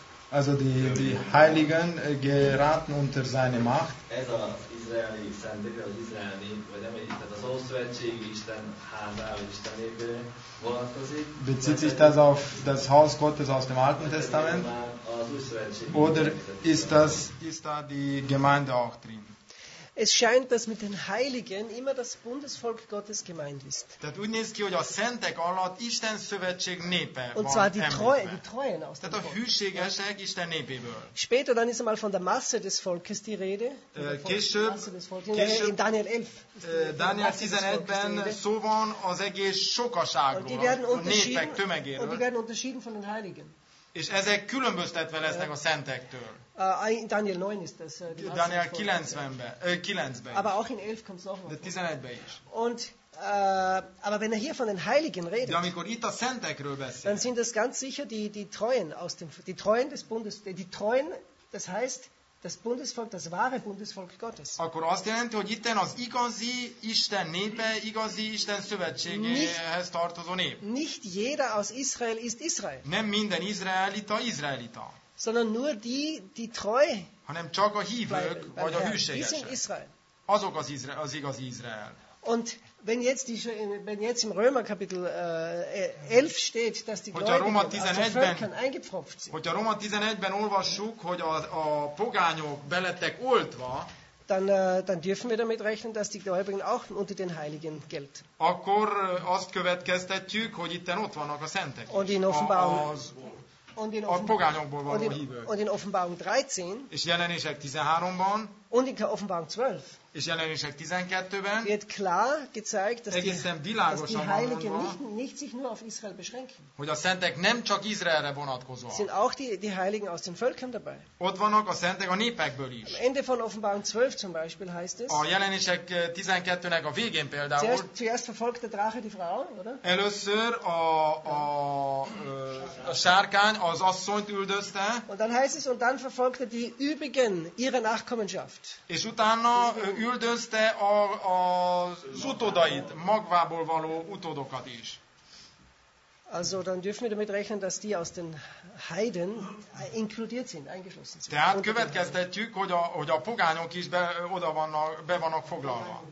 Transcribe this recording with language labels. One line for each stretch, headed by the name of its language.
German: Also die Heiligen geraten unter seine Macht.
Hungarian: Ez az izraeli szentek, az izraeli nép, vagy nem egyik, tehát az Ószövetség Isten házával, Isten népbe vonatkozik.
German: Bezieht sich das auf das Haus Gottes aus dem Alten Testament? Oder ist da die Gemeinde auch drin? Es scheint, dass mit den Heiligen immer das Bundesvolk Gottes gemeint ist.
Hungarian: Tehát úgy néz ki, hogy a szentek alatt Isten szövetség népe.
German: Und zwar die Treuen, die Treuen aus dem Volk.
Hungarian: Tehát a hűségesek Isten népéből.
German: Später dann ist einmal von der Masse des Volkes die Rede.
Hungarian: Később, Daniel 11. Daniel 11-ben szó van az egész sokaságról, a népek tömegéről.
German: Und die werden unterschieden von den Heiligen.
Hungarian: És ezek különböztetve lesznek a szentektől.
German: Daniel 9 ist das.
Hungarian: Daniel 9-ben.
German: Aber auch in 11 kommt es auch.
Hungarian: De 11-ben is.
German: Und aber wenn er hier von den Heiligen redet,
Hungarian: de amikor itt a szentekről beszél,
German: dann sind das ganz sicher die Treuen aus dem, die Treuen des Bundes, die Treuen, das heißt das Bundesvolk, das wahre Bundesvolk Gottes.
Hungarian: Akkor azt jelenti, hogy itten az igazi Isten népe, igazi Isten szövetségéhez tartozó nép.
German: Nicht jeder aus Israel ist Israel.
Hungarian: Nem minden izraelita izraelita.
German: Sondern nur die treu.
Hungarian: Hanem csak a hívők, vagy a hűségesek.
German: Die sind Israel.
Hungarian: Azok az igazi Izrael.
German: Und wenn jetzt im Römer Kapitel 11 steht, dass die Gläubigen eingepfropft sind.
Hungarian: Hogyha Róma 11-ben olvassuk, hogy a pogányok belettek oltva,
German: dann dürfen wir damit rechnen, dass die Gläubigen auch unter den Heiligen gelten.
Hungarian: Akkor azt következtetjük, hogy itten ott vannak a szentek.
German: Und in Offenbarung. Und in Offenbarung 13.
Hungarian: És jelenések 13-ban.
German: Und in Offenbarung 12.
Hungarian: És jelenések 12-ben.
German: Wird klar gezeigt, dass die Heiligen nicht sich nur auf Israel beschränken.
Hungarian: Hogy a szentek nem csak Izraelre vonatkozóak.
German: Sind auch die Heiligen aus den Völkern dabei.
Hungarian: Ott vannak a szentek a népekből is.
German: Am Ende von Offenbarung 12 zum Beispiel heißt es.
Hungarian: A jelenések 12-nek a végén például.
German: Zuerst verfolgt der Drache die Frau, oder?
Hungarian: Először a a sárkány az asszonyt üldözte.
German: Und dann heißt es, und dann verfolgte die übrigen ihre Nachkommenschaft.
Hungarian: És utána üldözte az utódait, magvából való utódokat is.
German: Also dann dürfen wir damit rechnen, dass die aus den Heiden inkludiert sind, eingeschlossen sind.
Hungarian: Tehát következtetjük, hogy a pogányok is be vannak foglalva.